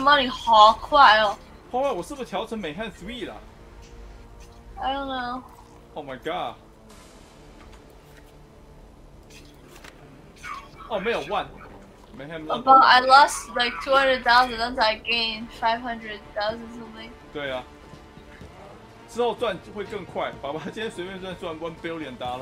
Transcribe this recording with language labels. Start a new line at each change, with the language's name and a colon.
Chinese: money 好快哦！宝宝，我是不是调成美汉
English: three 了？I don't know. Oh my god！
Chinese: 哦，没有 one，美汉 one。
English: 宝宝，I lost like 200,000， then I gained 500,000 something.
Chinese: 对啊，之后赚会更快。宝宝，今天随便赚 $1 billion。